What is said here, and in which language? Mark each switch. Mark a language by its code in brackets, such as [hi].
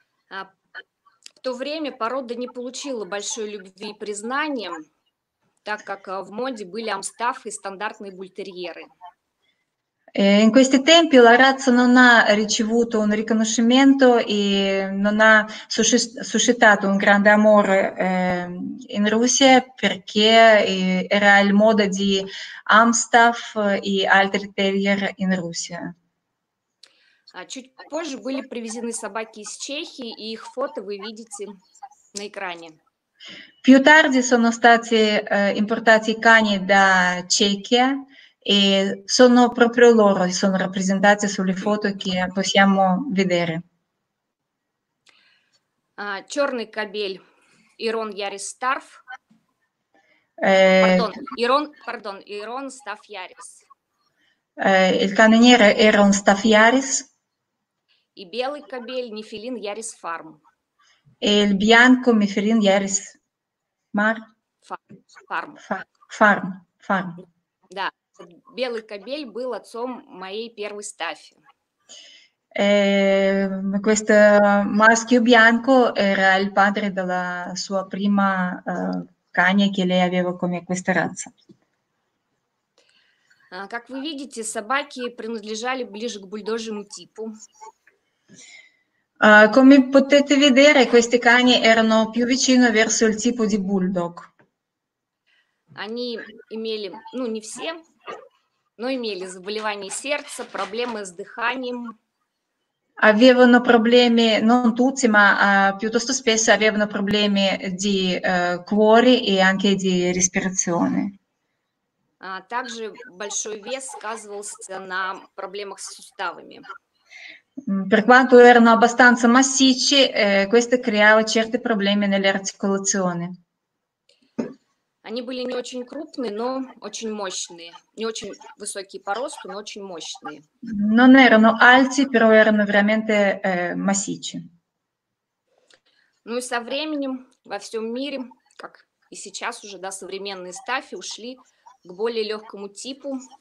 [ru] В то время порода не получила большой любви и признания, так как в моде были амстаф и стандартные бультерьеры. [it] In questi tempi la razza non ha ricevuto un riconoscimento e non ha suscitato un grande amore in Russia perché era il modo di Amstaff e altri terrier in Russia. [ru] Чуть позже были привезены собаки из Чехии, и их фото вы видите на экране. [it] Più tardi sono stati importati i cani da Cechia. E sono proprio loro, sono rappresentati sulle foto che possiamo vedere. [ru] Чёрный кобель Ирон Ярис Старф. Ирон Старф Ярис. [it] Il cane nero Ирон Старф Ярис. [ru] И белый кобель Нефилин Ярис Фарм. [it] El bianco Nefilin Yaris Mar Farm. Farm. Farm. [ru] Да, белый кобель был отцом моей первой стафи. [it] Questo maschio bianco era il padre della sua prima cagna che lei aveva come questa razza. [ru] Как вы видите, собаки принадлежали ближе к бульдожьему типу. [it] Come potete vedere, questi cani erano più vicino verso il tipo di bulldog. [ru] Они имели, ну не все, но имели заболевание сердца, проблемы с дыханием. [it] Avevano problemi, non tutti, ma piuttosto spesso avevano problemi di cuore e anche di respirazione. [ru] Также большой вес сказывался на проблемах с суставами. [it] Per quanto erano abbastanza massicci, questo creava certi problemi nelle articolazioni. [ru] Они были не очень крупные, но очень мощные. Не очень высокие по росту, но очень мощные. [it] Non erano alti, però erano veramente massicci. [ru] Ну и со временем во всем мире, как и сейчас уже, да, современные стаффи ушли к более легкому типу.